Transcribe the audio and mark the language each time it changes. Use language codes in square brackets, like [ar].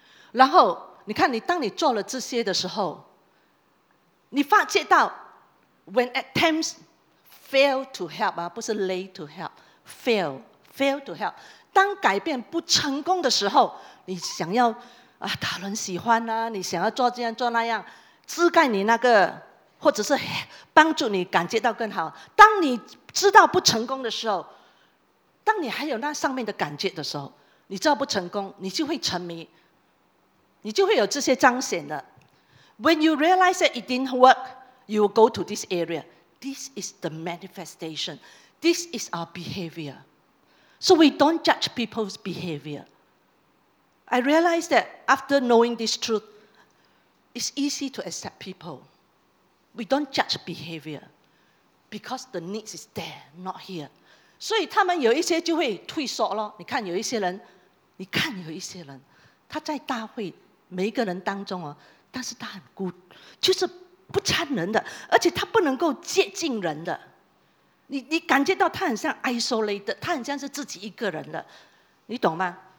[zh] 然后你看，你当你做了这些的时候，你发觉到 [en] when attempts fail to help [zh] 啊，不是 [en] lay to help， fail to help， [zh] 当改变不成功的时候，你想要啊讨人喜欢啊，你想要做这样做那样，遮盖你那个，或者是帮助你感觉到更好。当你知道不成功的时候，当你还有那上面的感觉的时候，你知道不成功，你就会沉迷，你就会有这些彰显的。 [en] When you realize that it didn't work, you will go to this area. This is the manifestation. This is our behavior. So we don't judge people's behavior. I realize that after knowing this truth, it's easy to accept people. We don't judge behavior because the needs is there, not here. [zh] 所以他们有一些就会退缩咯。你看有一些人，你看有一些人，他在大会每一个人当中哦，但是他很孤，就是不参人的，而且他不能够接近人的。你感觉到他很像 isolated， 他很像是自己一个人的，你懂吗？